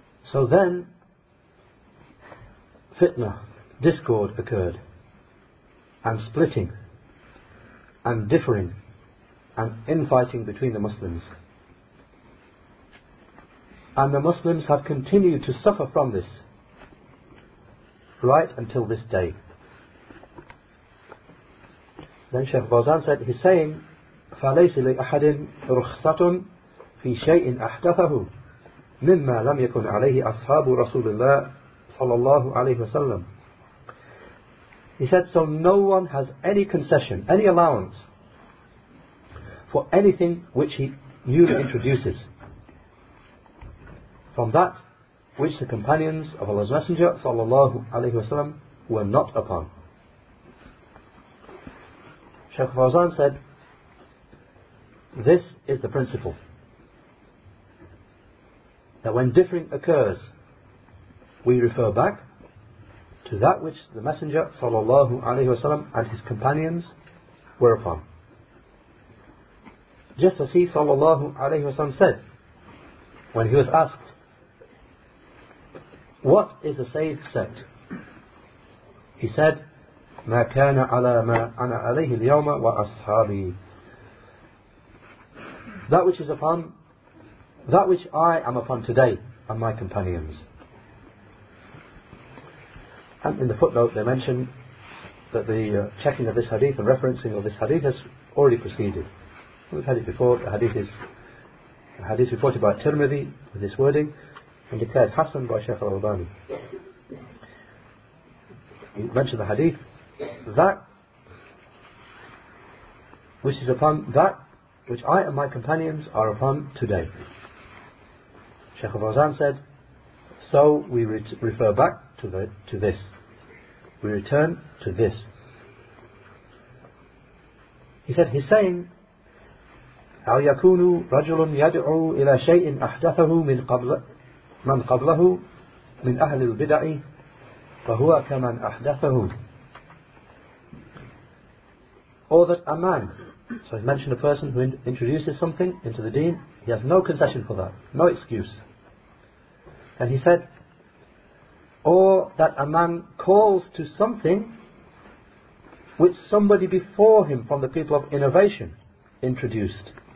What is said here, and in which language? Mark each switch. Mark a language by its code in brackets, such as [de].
[en] So then, fitna, discord occurred, and splitting, and differing, and infighting between the Muslims. And the Muslims have continued to suffer from this, right until this day. Then Shaykh Fawzan said, he's saying, [ar] فَلَيْسِ لِأَحَدٍ رُخْصَةٌ فِي شَيْءٍ أَحْدَثَهُ مِمَّا لَمْ يَكُنْ عَلَيْهِ أَصْحَابُ رَسُولِ اللَّهِ صَلَى اللَّهُ عَلَيْهِ وَسَلَّمُ. [en] He said, so no one has any concession, any allowance for anything which he newly introduces from that which the companions of Allah's Messenger sallallahu alayhi wasallam were not upon. Shaykh Fawzan said, this is the principle, that when differing occurs, we refer back to that which the Messenger sallallahu alayhi wasallam and his companions were upon. Just as he sallallahu alayhi wasallam said, when he was asked, what is a safe sect? He said, [ar] ما كان على ما أنا عليه اليوم وأصحابي. [en] that which is upon, that which I am upon today, and my companions. And in the footnote they mention that the checking of this hadith and referencing of this hadith has already proceeded. We've had it before. The hadith is a hadith reported by Tirmidhi with this wording and declared Hassan by Sheikh al-Albani. He mentioned the hadith, that which is upon, that which I and my companions are upon today. Sheikh al-Fawzan said, so we refer back to the, to this. We return to this. He said, he's saying, [ar] أَوْ يَكُونُ رَجُلٌ يَدْعُو إِلَى شَيْءٍ أَحْدَثَهُ مِنْ قَبْلَ مَنْ قَبْلَهُ مِنْ أَهْلِ الْبِدَعِ فَهُوَ كَمَنْ أَحْدَثَهُ. [en] Or that a man, so he mentioned a person who introduces something into the deen, he has no concession for that, no excuse. And he said, or that a man calls to something which somebody before him from the people of innovation introduced.